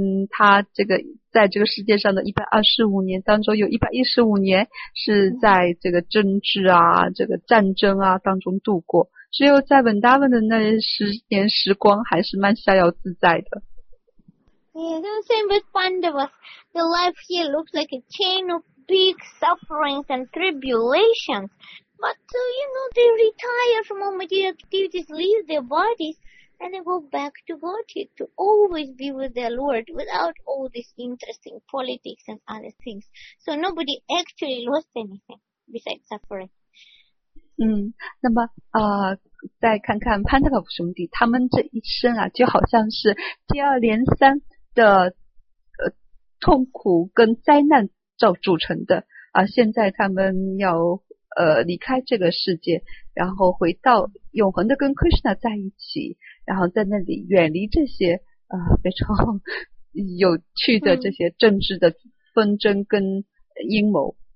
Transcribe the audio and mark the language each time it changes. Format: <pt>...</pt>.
<zh>他这个在这个世界上的125年当中，有115年是在这个政治啊这个战争啊当中度过，只有在 Vrindavan 的那十年时光还是蛮逍遥自在的。</zh> <en>Yeah, the same with Pandavas. The life here looks like a chain of big sufferings and tribulations. But, you know, they retire from all material activities, leave their bodies, and they go back to Gaudiya to always be with their Lord without all this interesting politics and other things. So nobody actually lost anything besides suffering.</en> <zh>那么再看看 Pandava 兄弟，他们这一生啊，就好像是接二连三的痛苦跟灾难造组成的现在他们要离开这个世界，然后回到永恒的跟 Krishna 在一起，然后在那里远离这些非常有趣的这些政治的纷争跟阴谋。</zh>